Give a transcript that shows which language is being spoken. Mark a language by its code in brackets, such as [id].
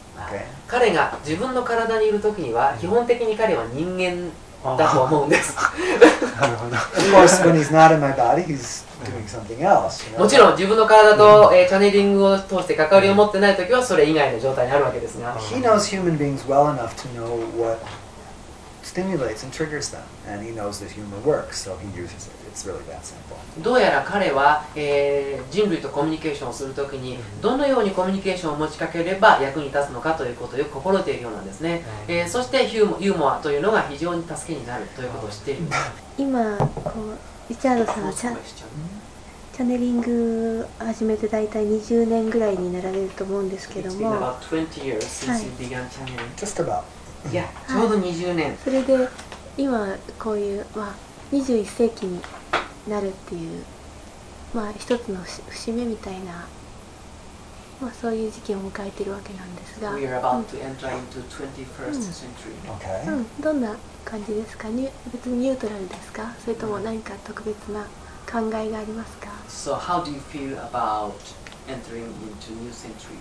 [en] Okay. [ja] 彼が自分の体にいるときには基本的に彼は人間だと思うんです。なるほど。 [en] Of course, when he's not in my body, he'sDoing something else, you know? [ja] もちろん自分の体と、チャネリングを通して関わりを持ってないときはそれ以外の状態にあるわけですが、 [en] He knows human beings well enough to know what stimulates and triggers them, and he knows that humor works, so he uses it. It's really that simple. [ja] どうやら彼は、人類とコミュニケーションをするときにどのようにコミュニケーションを持ちかければ役に立つのかということを心得ているようなんですね。そしてユーモアというのが非常に助けになるということを知っている。今こうリチャードさんはチャネリング始めて大体20年ぐらいになられると思うんですけども、ちょうど20年、それで今こういう、21世紀になるっていう、一つの節目みたいな、まあ、そういう時期を迎えているわけなんですが、 [en] We are about to enter into 21st century. Okay. [ja] どんな感じですか？別にニュートラルですか？それとも何か特別な考えがありますか？ [en] So how do you feel about entering into new century?